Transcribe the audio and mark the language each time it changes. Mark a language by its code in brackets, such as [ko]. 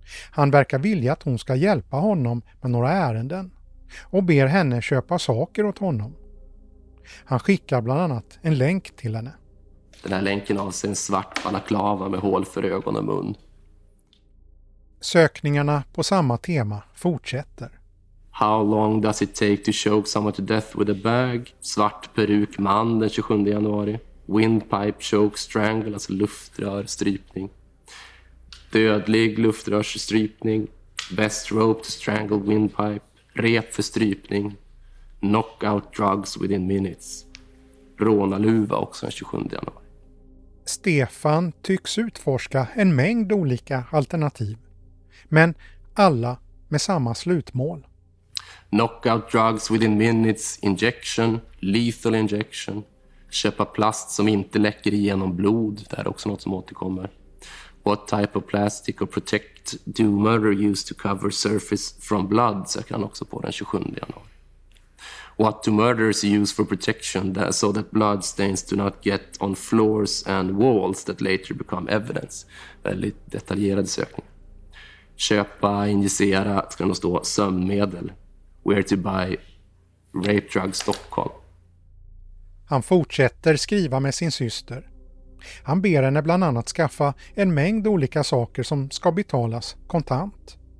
[sv] Han verkar vilja att hon ska hjälpa honom med några ärenden och ber henne köpa saker åt honom. Han skickar bland annat en länk till henne. Den här länken avser en svart balaklava med hål för ögon och mun. Sökningarna på samma tema fortsätter. [en] How long does it take to choke someone to death with a bag? [sv] Svart peruk man den 27 januari. [en] Windpipe choke strangle, [sv] alltså luftrörstrypning. Dödlig luftrörstrypning. [en] Best rope to strangle windpipe. [sv] Rep för strypning. [en] Knockout drugs within minutes. [sv] Rånarluva också den 27 januari. Stefan tycks utforska en mängd olika alternativ. Men alla med samma slutmål. [en] Knockout drugs within minutes, injection, lethal injection. [sv] Köpa plast som inte läcker igenom blod, det är också något som återkommer. [en] What type of plastic or protect do murder use to cover surface from blood, [sv] söker han också på den 27 januari. [en] What do murderers use for protection so that blood stains do not get on floors and walls that later become evidence. [sv] Väldigt detaljerad sökning. Köpa, injicera, ska det stå, sömnmedel. [en] Where to buy rape drug Stockholm. [sv] Han fortsätter skriva med sin syster. Han ber henne bland annat skaffa en mängd olika saker som ska betalas kontant.